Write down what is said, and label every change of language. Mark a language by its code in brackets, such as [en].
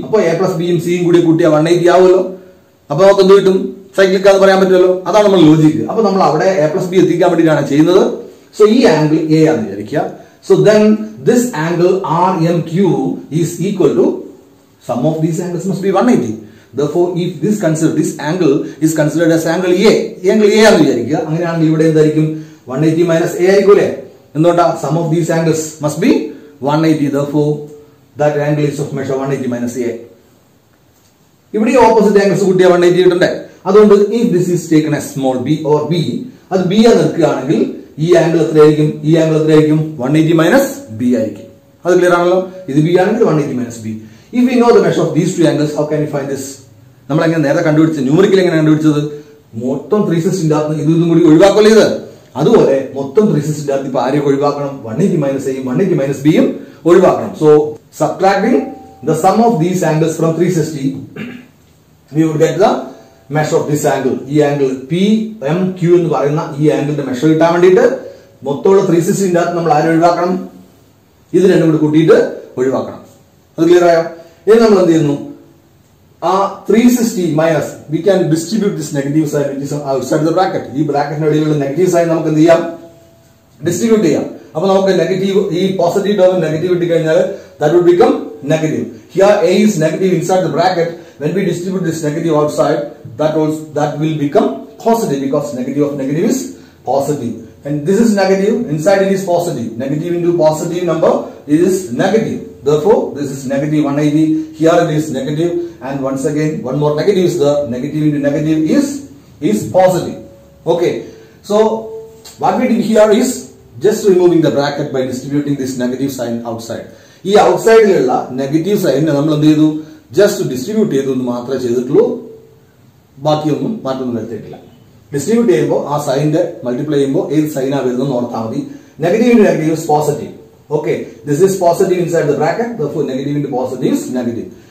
[ml] അപ്പൊ A plus ബിയും സിയും കൂടി കൂട്ടിയാൽ 180 ആവുമല്ലോ. അപ്പൊ നമുക്ക് എന്ത് കിട്ടും, സൈക്ലിക് ആണെന്ന് പറയാൻ പറ്റുമല്ലോ, അതാണ് നമ്മൾ ലോജിക്ക്. അപ്പൊ നമ്മൾ അവിടെ എ പ്ലസ് ബി എത്തിക്കാൻ വേണ്ടിയിട്ടാണ് ചെയ്യുന്നത്. [en] so ഈ angle A [ml] ആണ് വിചാരിക്കുക. [en] So then this angle R M Q is equal to sum of these angles must be 180. Therefore, if this considered, this angle is considered as angle A. [ml] Angle A ആണ് വിചാരിക്കുക, അങ്ങനെയാണെങ്കിൽ ഇവിടെ എന്തായിരിക്കും, 180 minus A ആയിരിക്കൂലേ. എന്തുകൊണ്ടാ, [en] Sum of these angles must be 180. Therefore, that angle is of measure 180 minus A. [ml] ഇവിടെ opposite angles കൂട്ടിയാ 180 കിട്ടണ്ടേ. അതുകൊണ്ട് [en] if this is taken A small B or B, [ml] അത് ബി ആ നിൽക്കുകയാണെങ്കിൽ ഈ ആംഗിൾ എത്രയായിരിക്കും, ഈ ആംഗിൾ എത്രയായിരിക്കും, 180 മൈനസ് ബി ആയിരിക്കും. അത് ക്ലിയർ ആണല്ലോ, ഇത് ബി ആണെങ്കിൽ 180 minus B. [en] If we know the measure of these two angles, how can we find this? [ml] നമ്മൾ എങ്ങനെ നേരെ കണ്ടുപിടിച്ചത്, ന്യൂമറിക്കൽ എങ്ങനെ കണ്ടുപിടിച്ചത്, മൊത്തം 360 ഇതും ഇതും കൂടി ഒഴിവാക്കല്ലേ ഇത്. അതുപോലെ മൊത്തം 360 ഇപ്പൊ ആരെയും ഒഴിവാക്കണം, 180 മൈനസ് എയും 180 മൈനസ് ബിയും ഒഴിവാക്കണം. [en] So subtracting the sum of these angles from 360 we would get the measure of this angle. [ml] ഈ ആംഗിൾ പി എം ക്യൂ എന്ന് പറയുന്ന ഈ ആംഗിളിന്റെ മെഷർ കിട്ടാൻ വേണ്ടിയിട്ട് മൊത്തമുള്ള 360 നമ്മൾ ആരെ ഒഴിവാക്കണം, ഇത് രണ്ടും കൂടി കൂട്ടിയിട്ട് ഒഴിവാക്കണം. അത് ക്ലിയർ ആയോ. ഇനി നമ്മൾ എന്ത് ചെയ്യുന്നു, [en] ആ 360 minus we can distribute this negative sign which is outside the bracket. [ml] ഈ ബ്രാക്കറ്റിന് ഇടയിലുള്ള നെഗറ്റീവ് സൈൻ നമുക്ക് എന്ത് ചെയ്യാം, ഡിസ്ട്രിബ്യൂട്ട് ചെയ്യാം. അപ്പൊ നമുക്ക് നെഗറ്റീവ് ഈ പോസിറ്റീവ് ടേമും നെഗറ്റീവ് ഇട്ട് കഴിഞ്ഞാൽ [en] That would become negative. Here A is negative inside the bracket, when we distribute this negative outside that also that will become positive, because negative of negative is positive. And this is negative, inside it is positive. Negative into positive number, it is negative. Therefore, this is negative 180, here it is negative. And once again, one more negative is the negative into negative is positive. Okay, so what we did here is just removing the bracket by distributing this negative sign outside. [ml] ഈ ഔട്ട്സൈഡിലുള്ള negative സൈനിനെ നമ്മൾ എന്ത് ചെയ്തു, just distribute ചെയ്തു എന്ന് മാത്രമേ ചെയ്തിട്ടുള്ളൂ, ബാക്കിയൊന്നും മാറ്റൊന്നും വരുത്തിയിട്ടില്ല. ഡിസ്ട്രിബ്യൂട്ട് ചെയ്യുമ്പോൾ ആ സൈനിന്റെ മൾട്ടിപ്ലൈ ചെയ്യുമ്പോൾ ഏത് സൈനാ വരുന്നതെന്ന് ഓർത്താൽ മതി. [en] Negative in negative is positive. Okay, this is positive inside the bracket, therefore negative in positive is negative.